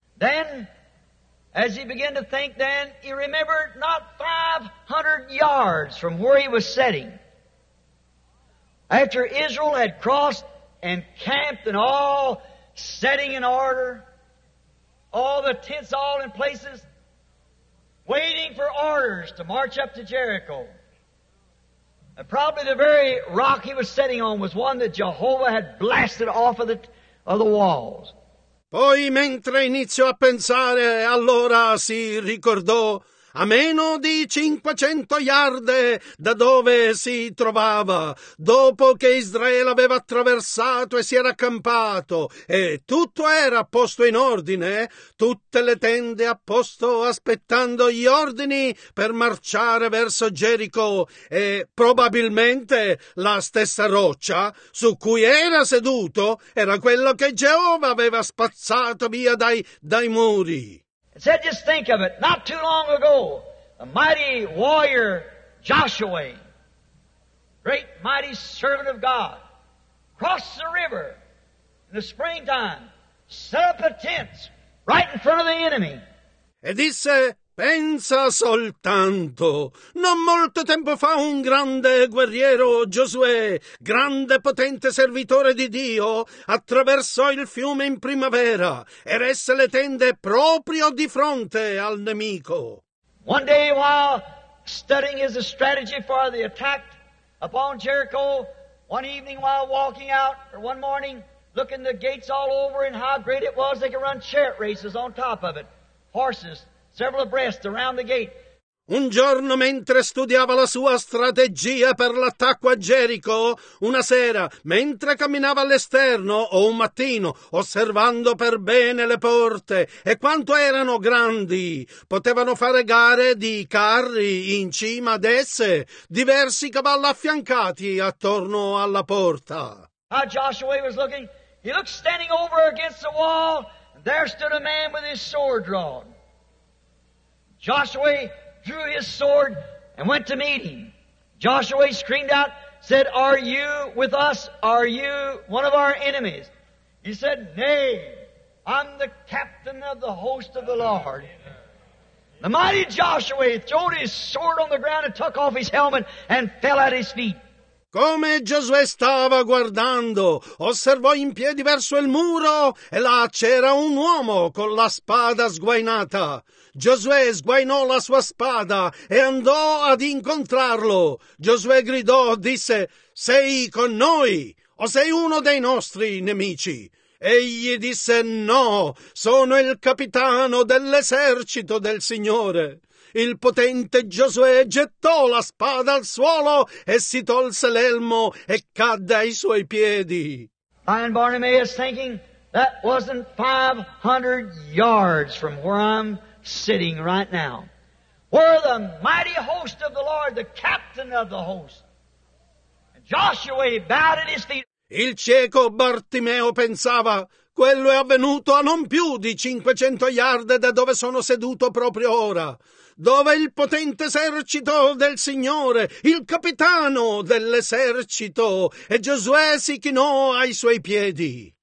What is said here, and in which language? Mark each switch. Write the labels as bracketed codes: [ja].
[en] Then, as he began to think then, he remembered not 500 yards from where he was sitting. After Israel had crossed and camped and all setting in order, all the tents all in places, waiting for orders to march up to Jericho. And probably the very rock he was sitting on was one that Jehovah had blasted off of the walls. [it] Poi, mentre iniziò a pensare, allora si ricordò, a meno di 500 yarde da dove si trovava, dopo che Israele aveva attraversato e si era accampato, e tutto era posto in ordine, tutte le tende a posto, aspettando gli ordini per marciare verso Gerico, e probabilmente la stessa roccia su cui era seduto era quello che Geova aveva spazzato via dai muri. [en] Said, just think of it. Not too long ago, a mighty warrior, Joshua, great mighty servant of God, crossed the river in the springtime, set up a tent right in front of the enemy. [it] E disse, pensa soltanto, non molto tempo fa un grande guerriero, Giosuè, grande potente servitore di Dio, attraversò il fiume in primavera e resse le tende proprio di fronte al nemico. [en] One day while studying his strategy for the attack upon Jericho, one evening while walking out, or one morning, looking the gates all over and how great it was, they could run chariot races on top of it, horses. Several abreast around the gate. [it] Un giorno mentre studiava la sua strategia per l'attacco a Gerico, una sera, mentre camminava all'esterno, o un mattino, osservando per bene le porte e quanto erano grandi, potevano fare gare di carri in cima ad esse, diversi cavalli affiancati attorno alla porta. [en] How Joshua was looking, he looked standing over against the wall, and there stood a man with his sword drawn. Joshua drew his sword and went to meet him. Joshua screamed out, said, are you with us? Are you one of our enemies? He said, nay, I'm the captain of the host of the Lord. The mighty Joshua threw his sword on the ground and took off his helmet and fell at his feet. [it] Come Giosuè stava guardando, osservò in piedi verso il muro e là c'era un uomo con la spada sguainata. Giosuè sguainò la sua spada e andò ad incontrarlo. Giosuè gridò, disse, sei con noi o sei uno dei nostri nemici? Egli disse, no, sono il capitano dell'esercito del Signore. Il potente Giosuè gettò la spada al suolo e si tolse l'elmo e cadde ai suoi piedi. [en] And Bartimaeus thinking, that wasn't 500 yards from where I'm sitting right now. Where the mighty host of the Lord, the captain of the host. And Joshua bowed at his feet. [it] Il cieco Bartimeo pensava, quello è avvenuto a non più di 500 yard da dove sono seduto proprio ora. Dove il potente esercito del Signore, il capitano dell'esercito, e Giosuè si chinò ai suoi piedi.